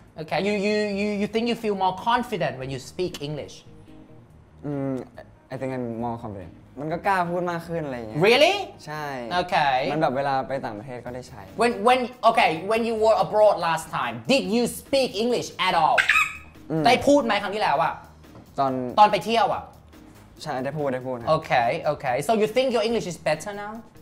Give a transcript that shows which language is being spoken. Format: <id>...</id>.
<en>Okay, you think you feel more confident when you speak English? I think I'm more confident.</en> <th>มันก็กล้าพูดมากขึ้นอะไรเงี้ย</th> <en>Really?</en> <th>ใช่</th> <en>Okay.</en> <th>มันแบบเวลาไปต่างประเทศก็ได้ใช้</th> <en>When you were abroad last time, did you speak English at all?</en> <th>ได้พูดไหมครั้งที่แล้วอ่ะ ตอน ไปเที่ยวอ่ะ ใช่ได้พูดครับ</th> <en>โอเค so you think your English is better now</en>